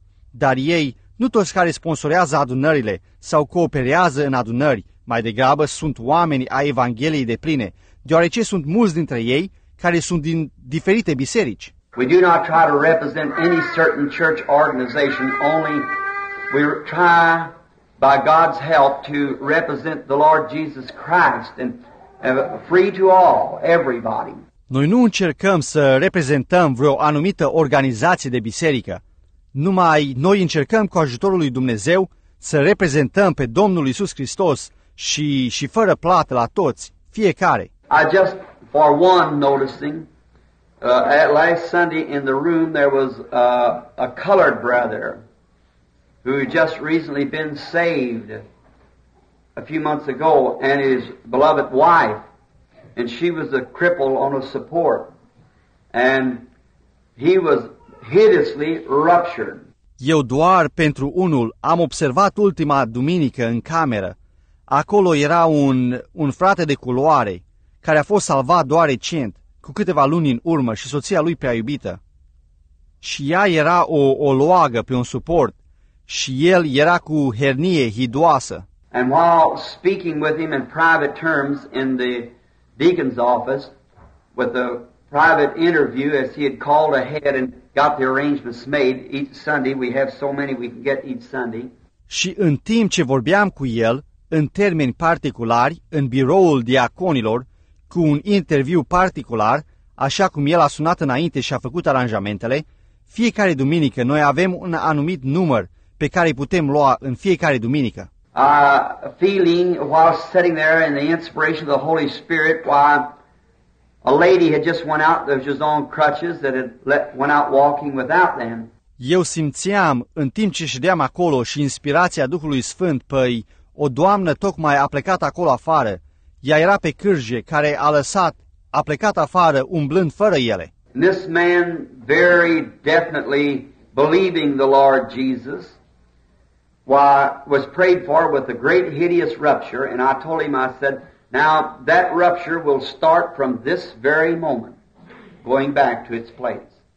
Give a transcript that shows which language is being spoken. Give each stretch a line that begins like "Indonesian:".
Romanian: Dar ei, nu toți care sponsorează adunările sau cooperează în adunări, mai degrabă sunt oamenii a Evangheliei de pline, deoarece sunt mulți dintre ei care sunt din diferite biserici.
English: We do not try to represent any certain church organization, only we try by God's help to represent the Lord Jesus Christ and free to all, everybody.
Romanian: Noi nu încercăm să reprezentăm vreo anumită organizație de biserică. Numai noi încercăm cu ajutorul lui Dumnezeu să reprezentăm pe Domnul Iisus Hristos și fără plată la toți, fiecare.
English: I just for one noticing at last Sunday in the room there was a colored brother who had just recently been saved a few months ago and his beloved wife. And she was a cripple on a support. And he was hideously ruptured.
Romanian: Eu doar pentru unul am observat ultima duminică în cameră. Acolo era un frate de culoare care a fost salvat doar recent, cu câteva luni în urmă, și soția lui prea iubită. Și ea era o loagă pe un suport și el era cu hernie hidoasă.
English: And while speaking with him in private terms in the deacon's office with a private interview as he had called ahead and got the arrangements made each Sunday. We have so many we can get each Sunday.
Romanian: Și în timp ce vorbeam cu el, în termeni particulari, în biroul diaconilor, cu un interviu particular, așa cum el a sunat înainte și a făcut aranjamentele, fiecare duminică noi avem un anumit număr pe care îi putem lua în fiecare duminică.
English: Feeling while sitting there in the inspiration of the Holy Spirit while a lady had just went out of his own crutches that had went out walking without them.
Romanian: Eu simțeam în timp ce ședeam acolo și inspirația Duhului Sfânt, păi o doamnă tocmai a plecat acolo afară. Ea era pe cârje care a plecat afară umblând fără ele.
English: And this man very definitely believing the Lord Jesus. Why was prayed for with a great hideous rupture, and I told him, I said, now that rupture will start from this very moment, going back to its place.